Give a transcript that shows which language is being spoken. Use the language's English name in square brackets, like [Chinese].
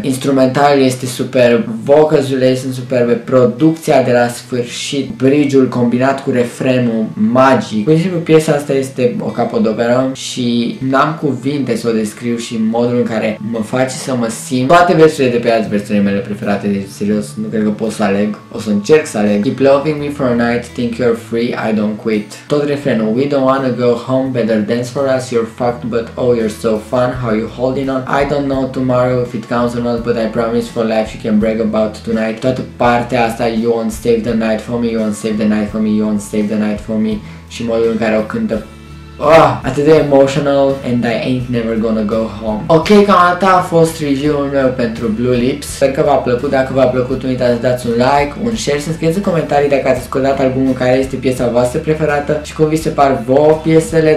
[Romanian] Instrumentalul este superb, vocals-urile sunt superbe, producția de la sfârșit, bridge-ul combinat cu refrenul, magic. Cu exemplu, piesa asta este o capodoperă și n-am cuvinte să o descriu și modul în care mă face să mă simt. Toate versurile de pe azi, versurile mele preferate, deci serios, nu cred că pot să aleg, o să încerc să aleg. [English] Keep loving me for a night, think you're free, I don't quit. [Romanian] Tot refrenul, [English] we don't wanna go home, better dance for us, you're fucked, but oh, you're so fun, how you holding on? I don't know tomorrow if it counts or not, but I promise for life you can brag about tonight. [Romanian] Toată partea asta, [English] you won't save the night for me, you won't save the night for me, you won't save the night for me, [Romanian] și modul în care o cântă. [English] Oh, [Romanian] atât de emotional [English] and I ain't never gonna go home. [Romanian] Ok, cam atât a fost review-ul meu pentru Blue Lips. Sper că v-a plăcut. Dacă v-a plăcut, uitați să dați un like, un share, să scrieți în comentarii dacă ați ascultat albumul, care este piesa voastră preferată și cum vi se par vouă piesele.